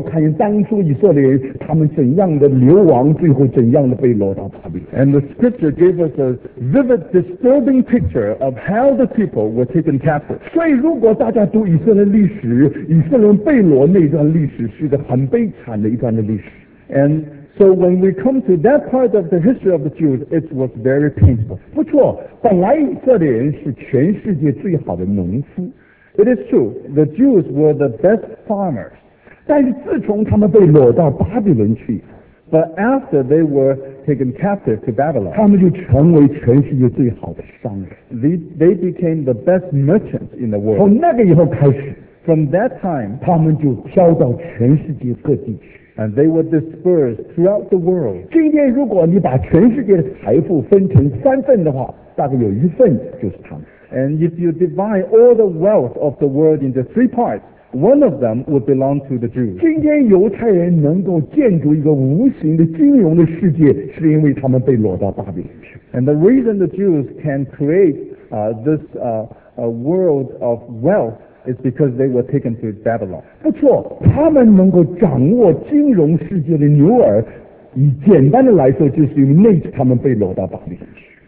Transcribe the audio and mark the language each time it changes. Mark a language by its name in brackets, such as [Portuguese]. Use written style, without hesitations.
[English] the scripture gave us a vivid, disturbing picture of how the people were taken captive. [Chinese] 所以如果大家读以色列历史，以色列被掳那段历史是一个很悲惨的一段的历史。 [English] And so when we come to that part of the history of the Jews, it was very painful. [Chinese] 不错，本来以色列人是全世界最好的农夫。 [English] It is true, the Jews were the best farmers. [Chinese] 但是自从他们被掳到巴比伦去 [English] ，But after they were taken captive to Babylon， [Chinese] 他们就成为全世界最好的商人。 [English] They became the best merchants in the world。 [Chinese] 从那个以后开始 [English] ，From that time， [Chinese] 他们就飘到全世界各地去 [English] ，And they were dispersed throughout the world。 [Chinese] 今天如果你把全世界的财富分成三份的话，大概有一份就是他们。 [English] And if you divide all the wealth of the world into three parts。 One of them would belong to the Jews. [Chinese] 今天犹太人能够建筑一个无形的金融的世界，是因为他们被掳到巴比伦去。 [English] And the reason the Jews can create this world of wealth is because they were taken to Babylon. [Chinese] 不错，他们能够掌握金融世界的牛耳，以简单的来说，就是因为那次他们被掳到巴比伦去。